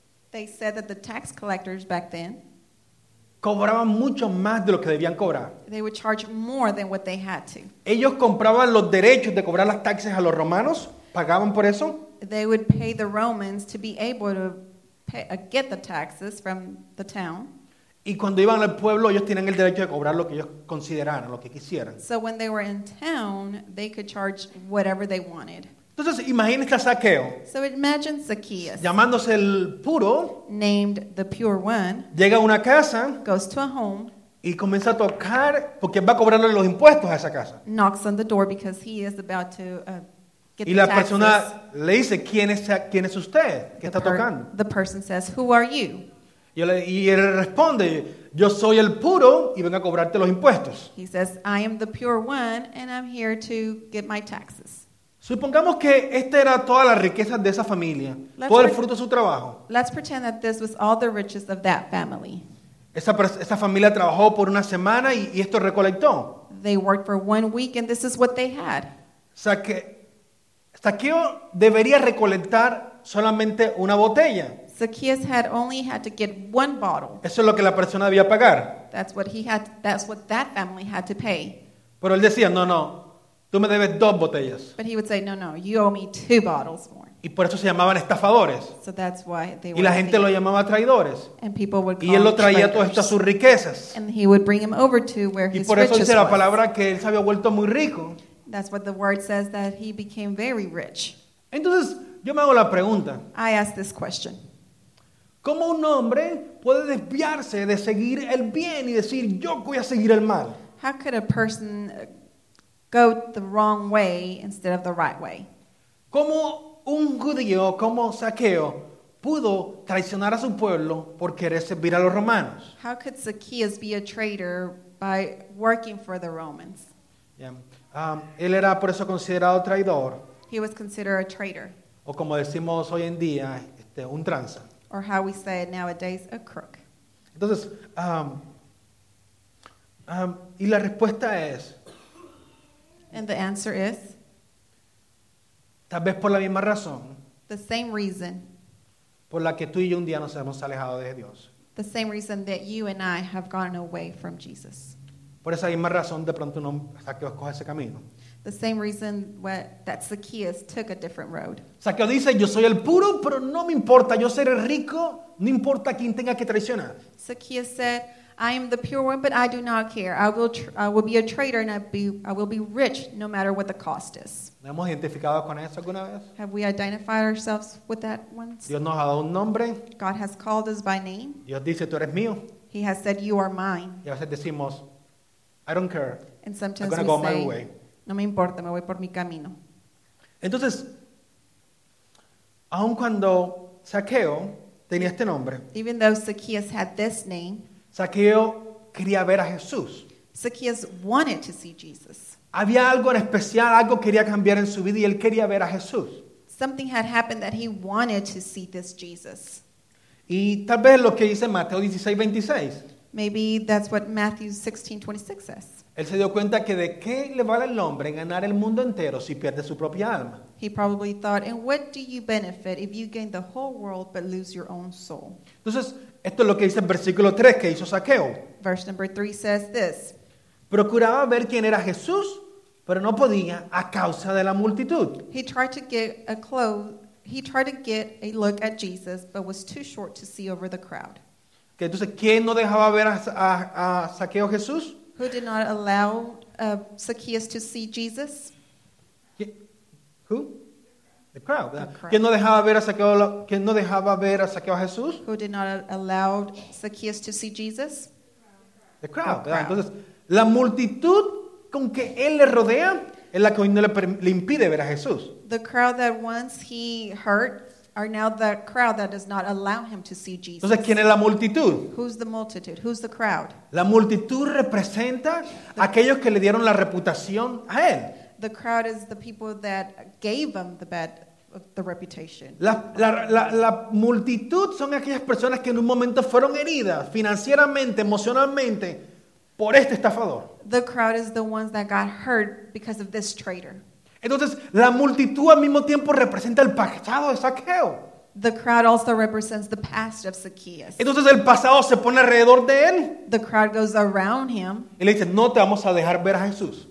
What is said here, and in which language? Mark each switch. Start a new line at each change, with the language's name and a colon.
English: They said that the tax collectors back then
Spanish: cobraban mucho más de lo que debían cobrar.
English: They would charge more than what they had to.
Spanish: Ellos compraban los derechos de cobrar las taxes a los romanos, pagaban por eso.
English: They would pay the Romans to be able to get the taxes from the town.
Spanish: Y cuando iban al pueblo, ellos tenían el derecho de cobrar lo que ellos consideraran, lo que quisieran.
English: So when they were in town, they could charge whatever they wanted.
Spanish: Entonces, imagínese a Zaqueo.
English: So imagine Zacchaeus.
Spanish: Llamándose el puro.
English: Named the pure one.
Spanish: Llega a una casa.
English: Goes to a home.
Spanish: Y comienza a tocar porque va a cobrarle los impuestos a esa casa.
English: Knocks on the door because he is about to get
Spanish: y la
English: the taxes.
Spanish: Persona le dice, ¿quién es usted? ¿Qué está tocando?
English: The person says, who are you?
Spanish: Y él responde, yo soy el puro y vengo a cobrarte los impuestos.
English: He says, I am the pure one and I'm here to get my taxes.
Spanish: Supongamos que esta era toda la riqueza de esa familia, todo el fruto de su trabajo.
English: Let's pretend that this was all the riches of that family.
Spanish: Esa familia trabajó por una semana y esto recolectó.
English: They worked for 1 week and this is what they had.
Spanish: Zaqueo debería recolectar solamente una botella.
English: Zacchaeus had only had to get one bottle.
Spanish: Eso es lo que la persona debía pagar.
English: That's what that family had to pay.
Spanish: Pero él decía, no, tú me debes dos botellas.
English: But he would say, no, you owe me two bottles more.
Spanish: Y por eso se llamaban estafadores.
English: So that's why they
Spanish: y la gente
English: thinking.
Spanish: Lo llamaba traidores.
English: And people would call
Spanish: y él lo traía
English: traitors.
Spanish: Todas estas sus riquezas.
English: And he would bring him over to where
Spanish: y por
English: his
Spanish: eso dice la palabra
English: was.
Spanish: Que él se había vuelto muy rico.
English: That's what the word says, that he became very rich.
Spanish: Entonces, yo me hago la pregunta.
English: I ask this question.
Spanish: ¿Cómo un hombre puede desviarse de seguir el bien y decir, yo voy a seguir el mal?
English: How could a person go the wrong way instead of the right way?
Spanish: ¿Cómo un judío como Zaqueo pudo traicionar a su pueblo por querer servir a los romanos?
English: How could Zacchaeus be a traitor by working for the Romans?
Spanish: Yeah. Él era por eso considerado traidor.
English: He was considered a traitor.
Spanish: O como decimos hoy en día, un tranza.
English: Or how we say it nowadays, a crook.
Spanish: Entonces, y la respuesta es.
English: And the answer is.
Spanish: Tal vez por la misma razón.
English: The same reason.
Spanish: Por la que tú y yo un día nos hemos alejado de Dios.
English: The same reason that you and I have gone away from Jesus.
Spanish: Por esa misma razón, de pronto uno hasta que escoge ese camino.
English: The same reason that Zacchaeus took a different road.
Spanish: Zaqueo dice, yo soy el puro, pero no me importa. Yo seré rico, no importa quién tenga que traicionar.
English: Zacchaeus said, I am the pure one, but I do not care. I will be a traitor and I will be rich no matter what the cost is.
Spanish: ¿No hemos identificado con eso alguna vez?
English: Have we identified ourselves with that once?
Spanish: Dios nos ha dado un nombre.
English: God has called us by name.
Spanish: Dios dice, tú eres mío.
English: He has said, you are mine.
Spanish: Y a veces decimos,
English: I don't care. And sometimes I'm we go say, my way.
Spanish: No me importa, me voy por mi camino. Entonces, aun cuando Zaqueo tenía este nombre,
English: even though Zacchaeus had this name,
Spanish: Zaqueo quería ver a Jesús.
English: Zacchaeus wanted to see Jesus.
Spanish: Había algo en especial, algo quería cambiar en su vida y él quería ver a Jesús.
English: Something had happened that he wanted to see this Jesus.
Spanish: Y tal vez lo que dice Mateo 16:26.
English: Maybe that's what Matthew 16:26 says.
Spanish: Él se dio cuenta que de qué le vale al hombre ganar el mundo entero si pierde su propia alma.
English: He probably thought, and what do you benefit if you gain the whole world but lose your own soul?
Spanish: Entonces, esto es lo que dice el versículo 3 que hizo Zaqueo.
English: Verse number 3 says this.
Spanish: Procuraba ver quién era Jesús, pero no podía a causa de la multitud.
English: He tried to get a look at Jesus, but was too short to see over the crowd.
Spanish: Okay, entonces, ¿quién no dejaba ver a Zaqueo Jesús?
English: Who did not allow Zacchaeus to see Jesus? Who? The crowd.
Spanish: ¿Quién no dejaba ver a Zaqueo? ¿Quién no dejaba ver a Zaqueo Jesús?
English: Who did not allow Zacchaeus to see Jesus? The crowd.
Spanish: Entonces, la multitud con que él le rodea es la que hoy no le impide ver a Jesús.
English: The crowd that once he hurt are now the crowd that does not allow him to see Jesus.
Spanish: Entonces, ¿quién es la multitud?
English: Who's the multitude? Who's the crowd?
Spanish: La multitud representa a aquellos que le dieron la reputación a él.
English: The crowd is the people that gave him the reputation.
Spanish: La multitud son aquellas personas que en un momento fueron heridas financieramente, emocionalmente, por este estafador.
English: The crowd is the ones that got hurt because of this traitor.
Spanish: Entonces, la multitud al mismo tiempo representa el pasado de Zaqueo.
English: The crowd also represents the past of Zacchaeus.
Spanish: Entonces, el pasado se pone alrededor de él.
English: The crowd goes around him.
Spanish: Y le dice, no te vamos a dejar ver a Jesús.